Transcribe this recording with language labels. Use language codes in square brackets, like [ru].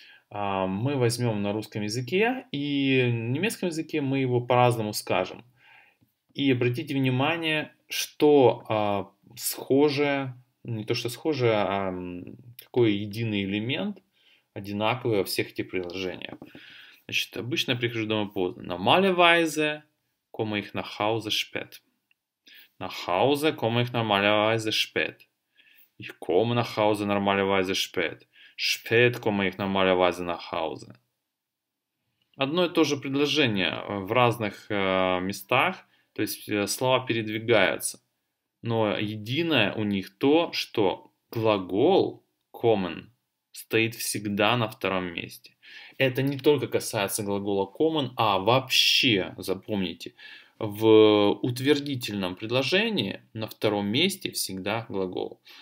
[ru] Мы возьмем на русском языке, и в немецком языке мы его по-разному скажем. И обратите внимание, что схожее, не то что схожее, а какой единый элемент, одинаковый во всех этих предложениях. Значит, обычно я прихожу домой поздно. [de] Normalerweise komme ich nach Hause spät. Nach Hause komme ich normalerweise spät. Ich komme nach Hause normalerweise spät. Spät komme ich normalerweise nach Hause. [ru] Одно и то же предложение в разных местах То есть слова передвигаются. Но единое у них то, что глагол common стоит всегда на втором месте. Это не только касается глагола common, а вообще, запомните, в утвердительном предложении на втором месте всегда глагол.